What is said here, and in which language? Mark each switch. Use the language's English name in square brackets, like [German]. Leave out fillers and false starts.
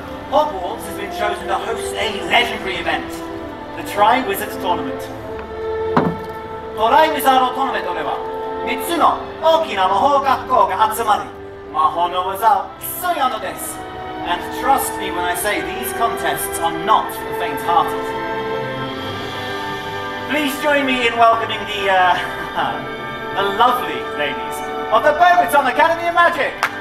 [English] Hogwarts has been chosen to host a legendary event, the Triwizard Tournament. [Japanese] トライウィザードトーナメントでは、3つの大きな魔法学校が集まり、魔法の技を競い合うのです。 [English] And trust me when I say these contests are not for the faint-hearted. Please join me in welcoming the, the lovely ladies of the Beauxbatons Academy of Magic!